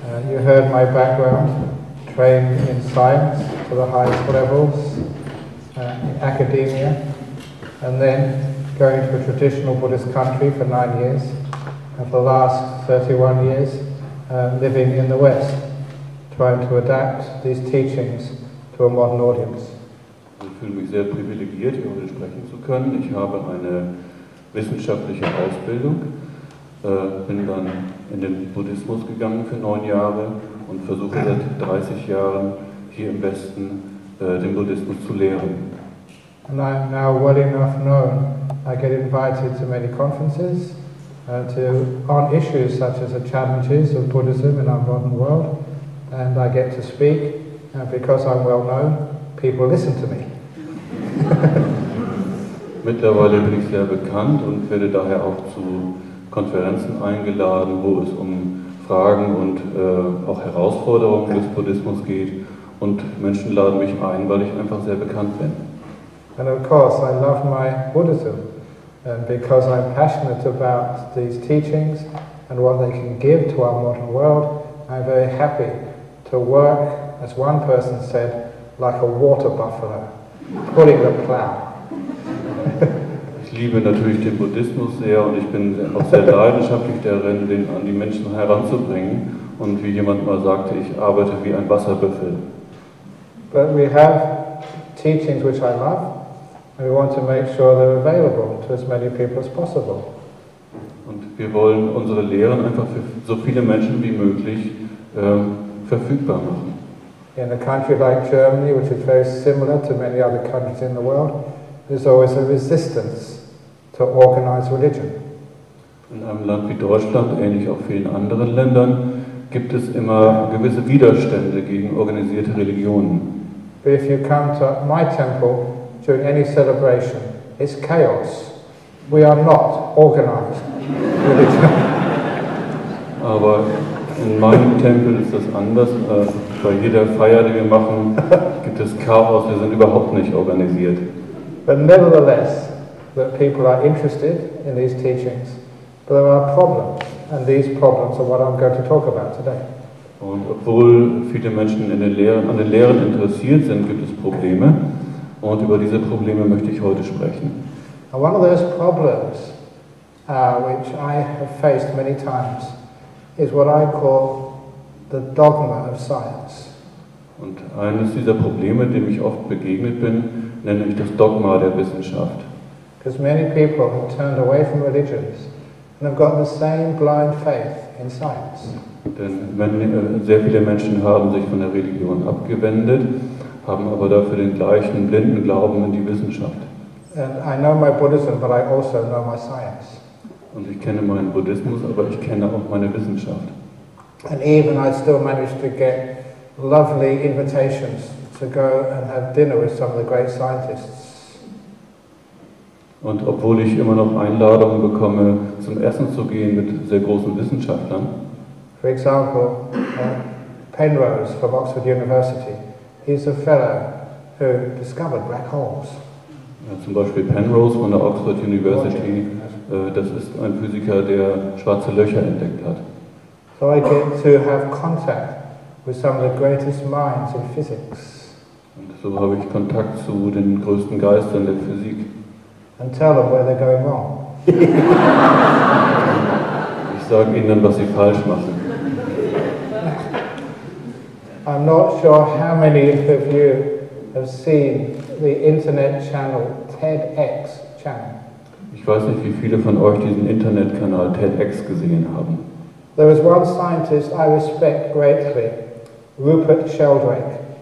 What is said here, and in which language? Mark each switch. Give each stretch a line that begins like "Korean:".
English: You heard my background, trained in science to the highest levels, in academia, and then going to a traditional Buddhist country for 9 years. And the last 31 years living in the West, trying to adapt these teachings to a modern audience.
German: Ich fühle mich sehr privilegiert, hier heute sprechen zu können. Ich habe eine wissenschaftliche Ausbildung, bin dann in den Buddhismus gegangen für 9 Jahre und versuche seit 30 Jahren hier im Westen den Buddhismus zu lehren.
English: And I'm now well enough known. I get invited to many conferences. On issues such as the challenges of Buddhism in our modern world, and I get to speak, and because I'm well known, people listen to me.
German: Mittlerweile bin ich sehr bekannt und werde daher auch zu Konferenzen eingeladen, wo es um Fragen und auch Herausforderungen des Buddhismus geht, und Menschen laden mich ein, weil ich einfach sehr bekannt bin.
English: And of course, I love my Buddhism. And because I'm passionate about these teachings and what they can give to our modern world, I'm very happy to work, as one person said, like a water buffalo, pulling the plow.
German: Ich liebe natürlich den Buddhismus sehr, und ich bin auch sehr leidenschaftlich darin, den an die Menschen heranzubringen. Und wie jemand mal sagte, ich arbeite wie ein Wasserbüffel.
English: But we have teachings which I love. We want to make sure they're available to as many people as possible.
German: Und wir wollen unsere Lehren einfach für so viele Menschen wie möglich verfügbar machen.
English: In a country like Germany, which is very similar to many other countries in the world, there's always a resistance to organized religion.
German: In einem Land wie Deutschland, ähnlich auch vielen anderen Ländern, gibt es immer gewisse Widerstände gegen organisierte Religionen.
English: But if you come to my temple during any celebration, it's chaos. We are not organized.
German: Aber in meinem Tempel ist das anders. Bei jeder Feier, die wir machen, gibt es Chaos. Wir sind überhaupt nicht organisiert.
English: But nevertheless, that people are interested in these teachings, but there are problems, and these problems are what I'm going to talk about today.
German: Und obwohl viele Menschen in den Lehren, an den Lehren interessiert sind, gibt es Probleme. Und über diese Probleme möchte ich heute sprechen.
English: And one of those problems, which I have faced many times, is what I call the dogma of science.
German: Und eines dieser Probleme, dem ich oft begegnet bin, nenne ich das Dogma der Wissenschaft.
English: because many people have turned away from religions and have got the same blind faith in science.
German: Denn sehr viele Menschen haben sich von der Religion abgewendet, haben aber dafür den gleichen blinden Glauben in die Wissenschaft.
English: And I know my Buddhism, but I also know my science.
German: Und ich kenne meinen Buddhismus, aber ich kenne auch meine Wissenschaft.
English: And even I still manage to get lovely invitations to go and have dinner with some of the great scientists.
German: Und obwohl ich immer noch Einladungen bekomme, zum Essen zu gehen mit sehr großen Wissenschaftlern.
English: For example, Penrose from Oxford University. He's a fellow who discovered black holes.
German: Ja, zum Beispiel Penrose von der Oxford University. Das ist ein Physiker, der schwarze Löcher entdeckt hat.
English: So I get to have contact with some of the greatest minds in physics.
German: Und so habe ich Kontakt zu den größten Geistern der Physik.
English: And tell them where they're going wrong.
German: Ich sage ihnen dann, was sie falsch machen.
English: I'm not sure how many of you have seen the internet channel TEDx channel.
German: Ich weiß nicht, wie viele von euch diesen Internetkanal TEDx gesehen haben.
English: There was one scientist I respect greatly, Rupert Sheldrake.